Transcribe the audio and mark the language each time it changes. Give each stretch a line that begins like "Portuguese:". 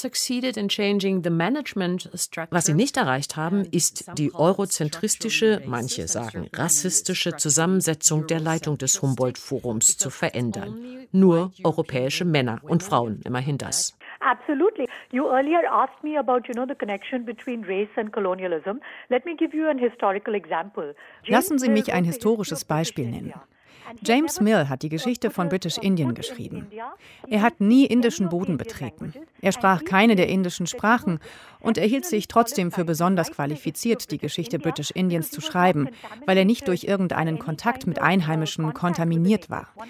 German: Was sie nicht erreicht haben, ist die eurozentristische, manche sagen rassistische Zusammensetzung der Leitung des Humboldt-Forums zu verändern. Nur europäische Männer und Frauen, immerhin das.
English: Absolutely. You earlier asked me about, you know, the connection between race and colonialism. Let me give you an historical example.
German: Lassen Sie mich ein historisches Beispiel nennen. James Mill hat die Geschichte von British Indian geschrieben. Er hat nie indischen Boden betreten. Er sprach keine der indischen Sprachen und er hielt sich trotzdem für besonders qualifiziert, die Geschichte British Indiens zu schreiben, weil er nicht durch irgendeinen Kontakt mit Einheimischen kontaminiert war.